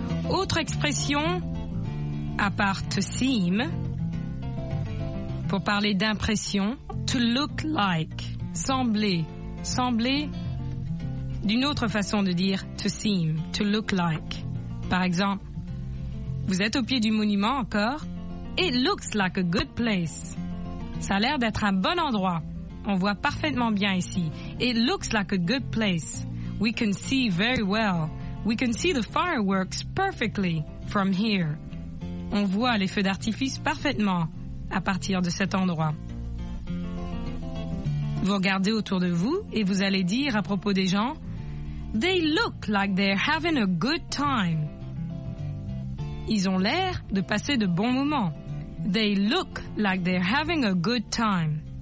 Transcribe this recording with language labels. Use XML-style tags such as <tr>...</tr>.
<fr>Autre expression, à part to seem, pour parler d'impression, to look like, sembler, sembler, d'une autre façon de dire to seem, to look like. Par exemple, vous êtes au pied du monument encore,</fr> <en>it looks like a good place.</en> <fr>Ça a l'air d'être un bon endroit, on voit parfaitement bien ici.</fr> <en>It looks like a good place, we can see very well. We can see the fireworks perfectly from here.</en> <fr>On voit les feux d'artifice parfaitement à partir de cet endroit. Vous regardez autour de vous et vous allez dire à propos des gens,</fr> <en>they look like they're having a good time.</en> <fr>Ils ont l'air de passer de bons moments.</fr> <en>They look like they're having a good time.</en>